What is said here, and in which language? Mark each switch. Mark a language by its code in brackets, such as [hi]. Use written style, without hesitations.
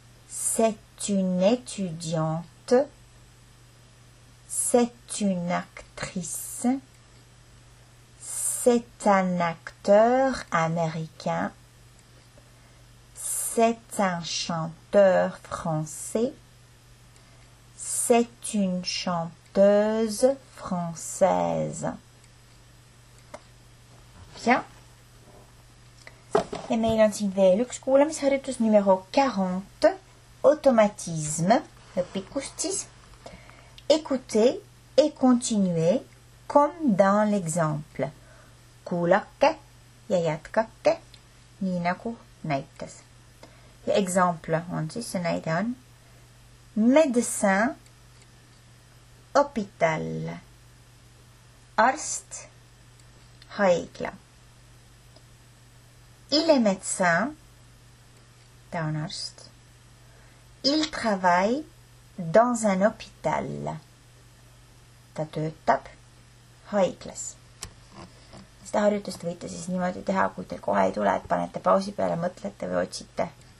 [fr] C'est une étudiante, c'est une actrice, c'est un acteur américain, c'est un chanteur français, c'est une chanteuse française. Bien. [et] Et meil on siin veel üks kuulamisharjutus numéro 40. [fr] Automatisme, picustis. Écoutez et continuez comme dans l'exemple. [et] Kuulake ja jätkake, nii nagu näites. Ja exemple, on siis see näide on. [fr] Médecin, hôpital. [et] Arst, haigla. [fr] Il est médecin, [et] ta on arst. [fr] Il travaille dans un hôpital. [et] Ta töötab haiglas. Seda harjutust võite siis niimoodi teha, kui te kohe ei tule, et panete pausi peale, mõtlete või otsite.